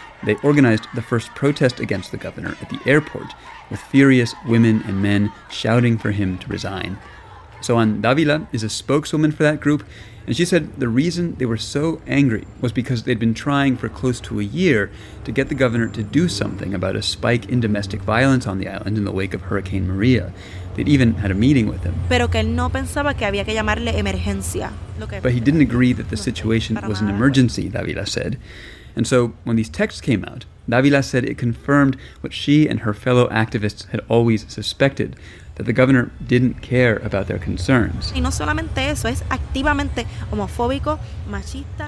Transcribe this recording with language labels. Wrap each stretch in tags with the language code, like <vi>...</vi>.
<en>They organized the first protest against the governor at the airport, with furious women and men shouting for him to resign. Soan Davila is a spokeswoman for that group, and she said the reason they were so angry was because they'd been trying for close to a year to get the governor to do something about a spike in domestic violence on the island in the wake of Hurricane Maria. They'd even had a meeting with him.</en> <es>Pero que él no pensaba que había que llamarle emergencia.</es> <en>But he didn't agree that the situation was an emergency, Davila said. And so when these texts came out, Davila said it confirmed what she and her fellow activists had always suspected, that the governor didn't care about their concerns.</en> <es>Y no solamente eso, es activamente homofóbico, machista.</es>